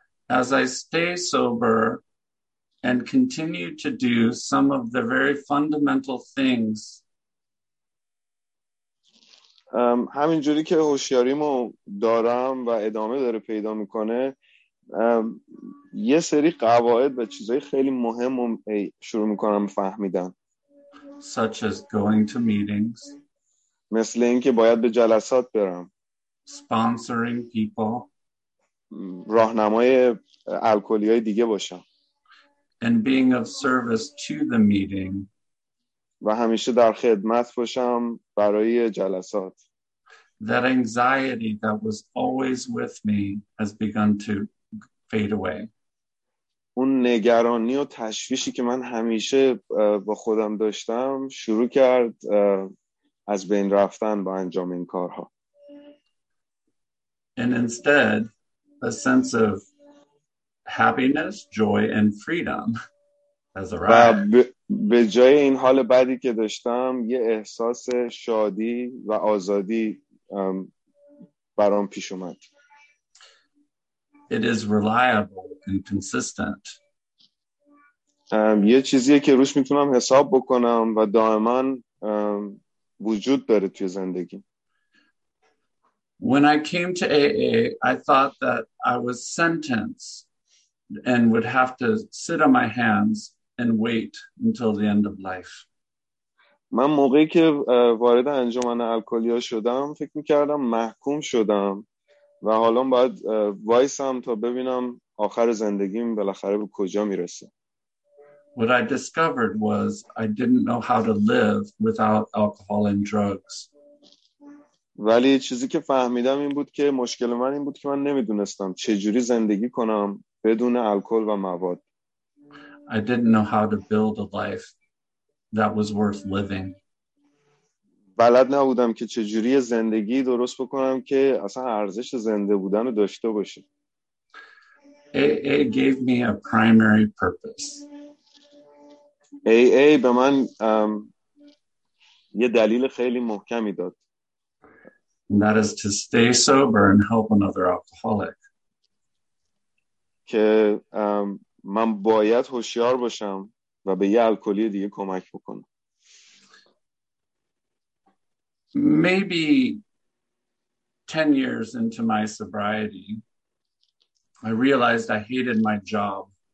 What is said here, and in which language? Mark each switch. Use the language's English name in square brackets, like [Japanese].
[English] As I stay sober and continue to do some of the very fundamental things. [Persian] همینجوری که هوشیاریمو دارم و ادامه داره پیدا میکنه یه سری قواعد و چیزهای خیلی مهم رو شروع میکنم فهمیدن. [English] Such as going to meetings. [Persian] مثل این که باید به جلسات برم. [English] Sponsoring people. [Persian] راهنمای الکلی های دیگه باشم. [English] And being of service to the meeting. [Persian] و همیشه در خدمت باشم برای جلسات. [English] That anxiety that was always with me has begun to fade away. [Persian] اون نگرانی و تشویشی که من همیشه با خودم داشتم شروع کرد از بین رفتن با انجام این کارها. [English] And instead, a sense of happiness, joy, and freedom has arrived. [Persian] به جای این حال بدی که داشتم یه احساس شادی و آزادی برام پیش اومد. [English] It is reliable and consistent. [Persian] یه چیزیه که روش میتونم حساب بکنم و دائما وجود داره توی زندگی. [English] When I came to AA, I thought that I was sentenced and would have to sit on my hands and wait until the end of life. [Persian] من موقعی که وارد انجمن الکلی‌ها شدم فکر می‌کردم محکوم شدم و حالا باید وایسم تا ببینم آخر زندگیم بالاخره به کجا میرسه. [English] What I discovered was I didn't know how to live without alcohol and drugs. [Persian] ولی چیزی که فهمیدم این بود که مشکل من این بود که من نمیدونستم چجوری زندگی کنم بدون الکل و مواد. [English] I didn't know how to build a life that was worth living. [Persian] بلد نبودم که چجوری زندگی درست بکنم که اصلا ارزش زنده بودن رو داشته باشه. [English] AA gave me a primary purpose. [Persian] AA به من یه دلیل خیلی محکمی داد. [English] And that is to stay sober and help another alcoholic. [Persian] که من باید هوشیار باشم و به یه الکلی دیگه کمک بکنم. [English] Maybe 10 years into my sobriety, I realized I hated my job.